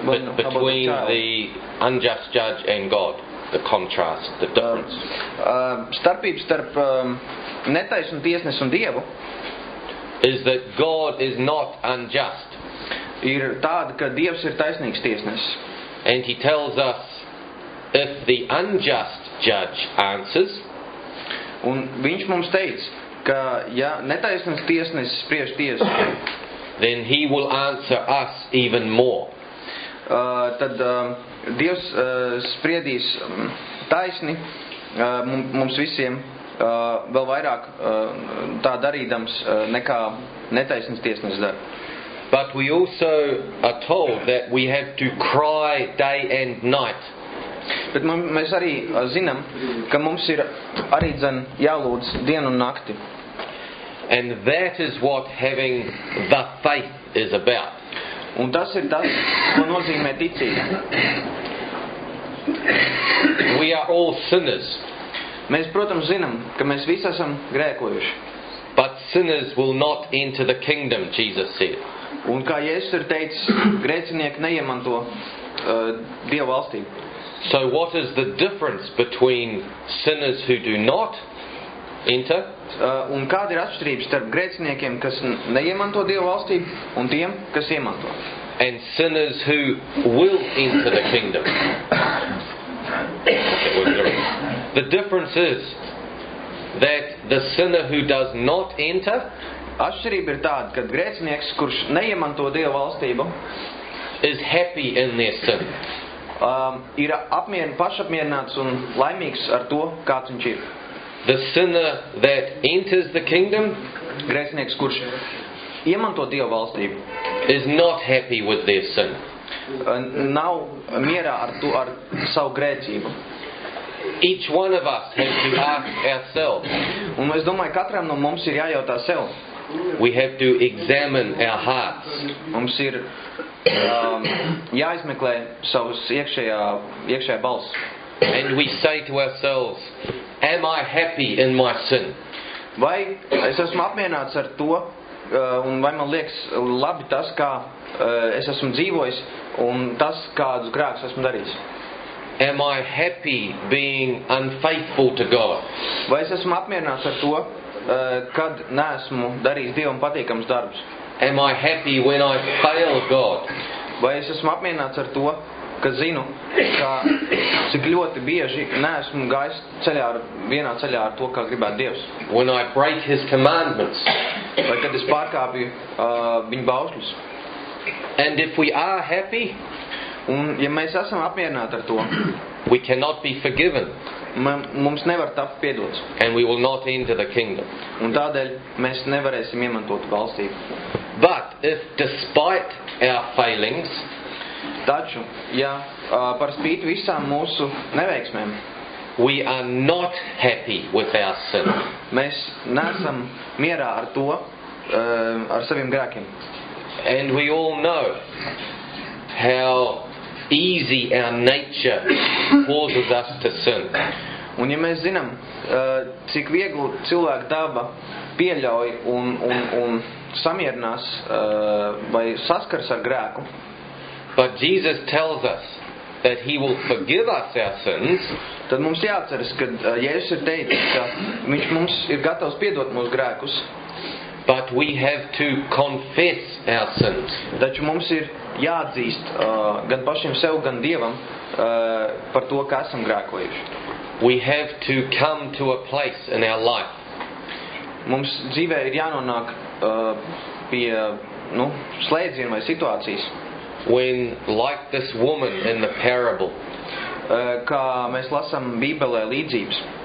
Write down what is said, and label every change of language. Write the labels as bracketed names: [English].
[English] but between the unjust judge and God, the contrast, the difference. [Latvian] Starpība starp netaisnu tiesnesi un Dievu. [English] Is that God is not unjust. [Latvian] Ir tāda, ka Dievs ir taisnīgs tiesnesis. [English] And he tells us if the unjust judge answers. [Latvian] Un viņš mums teic, ka ja netaisnas tiesnesis spriež tiesu, [English] then he will answer us even more. [Latvian] Tad Dievs spriedīs taisni mums visiem vēl vairāk tā darīdams nekā netaisnas tiesnesis dar. [English] But we also are told that we have to cry day and night. [Latvian] Bet mēs arī zinām, ka mums ir arī dzen jālūdz dienu un nakti. [English] And that is what having the faith is about. [Latvian] Un tas ir tas, ko nozīmē ticība. [English] We are all sinners. [Latvian] Mēs, protams, zinām, ka mēs visi esam grēkojuši. [English] But sinners will not enter the kingdom, Jesus said. [Latvian] Un kā Jēzus ir teicis, grēcinieki neiemanto Dieva valstību. [English] So what is the difference between sinners who do not enter? [Latvian] Un kāda ir atšķirība starp grēciniekiem, kas neiemanto Dieva valstību, un tiem, kas iemanto? [English] And sinners who will enter the kingdom. The difference is that the sinner who does not enter, [Latvian] atšķirība ir tāda, ka grēcinieks, kurš neiemanto Dieva valstību, [English] is happy in their sin. [Latvian] Ir pašapmierināts un laimīgs ar to, kāds viņš ir. [English] The sinner that enters the kingdom, [Latvian] grēcinieks, kurš iemanto Dieva valstību, [English] is not happy with their sin. [Latvian] Nav mierā ar to, ar savu grēcību. [English] Each one of us has to ask ourselves. [Latvian] Un es domāju, katram no mums ir jājautā sev. [English] We have to examine our hearts. [Latvian] Mums ir jāizmeklē savas iekšējā balss. [English] And we say to ourselves, am I happy in my sin? [Latvian] Vai es esmu apmierināts ar to, un vai man liekas labi tas, kā es esmu dzīvojis, un tas, kādus grēkus esmu darījis? [English] Am I happy being unfaithful to God? [Latvian] Vai es esmu apmierināts ar to, kad neesmu darījis Dievam patīkamus darbus? [English] Am I happy when I fail God? [Latvian] Vai es esmu apmierināts ar to, ka zinu, ka cik ļoti bieži neesmu gājis vienā ceļā ar to, kā gribētu Dievs? [English] When I break his commandments. [Latvian] Vai kad es pārkāpju viņa bauslis? [English] And if we are happy, [Latvian] un ja mēs esam apmierināti ar to, [English] we cannot be forgiven. [Latvian] Mums nevar tapt piedots. [English] And we will not enter the kingdom. [Latvian] Un tādēļ mēs nevarēsim iemantot valstību. [English] But if despite our failings, [Latvian] taču, ja par spīti visām mūsu neveiksmēm, [English] we are not happy with our sin. [Latvian] Mēs neesam mierā ar to, ar saviem grēkiem. [English] And we all know how easy our nature causes us to sin. [Latvian] Un ja mēs zinām, cik viegli cilvēka daba pieļauj un samierinās vai saskars ar grēku. [English] But Jesus tells us that he will forgive us our sins. [Latvian] Tad mums jāatceras, kad Jēzus ir teicis, ka viņš mums ir gatavs piedot mūsu grēkus. [English] But we have to confess our sins. [Latvian] Taču mums ir jāatzīst gan pašiem sev, gan Dievam par to, ka esam grēkojuši. [English] We have to come to a place in our life. [Latvian] Mums dzīvē ir jānonāk pie, nu, slēdzienu vai situācijas. [English] When like this woman in the parable, [Latvian] kā mēs lasām Bībelē līdzības,